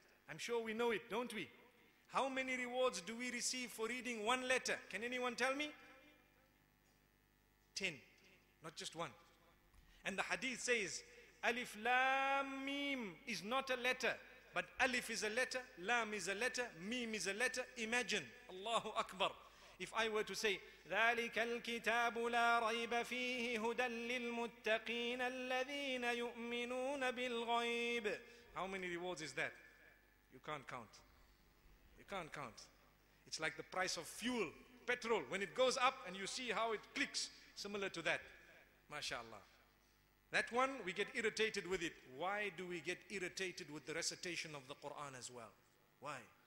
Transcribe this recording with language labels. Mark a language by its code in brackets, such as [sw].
[en] I'm sure we know it, don't we? How many rewards do we receive for reading one letter? Can anyone tell me? 10. Not just one. And the hadith says, Alif Lam Mim is not a letter. But Alif is a letter, Lam is a letter, Mim is a letter. Imagine, Allahu Akbar. If I were to say, [ar] ذَلِكَ الْكِتَابُ لَا رَيْبَ فِيهِ هُدًى لِلْمُتَّقِينَ الَّذِينَ يُؤْمِنُونَ بِالْغَيْبِ. [en] How many rewards is that? You can't count. You can't count. It's like the price of fuel, petrol. When it goes up and you see how it clicks, similar to that. MashaAllah. That one, we get irritated with it. Why do we get irritated with the recitation of the Quran as well? Why?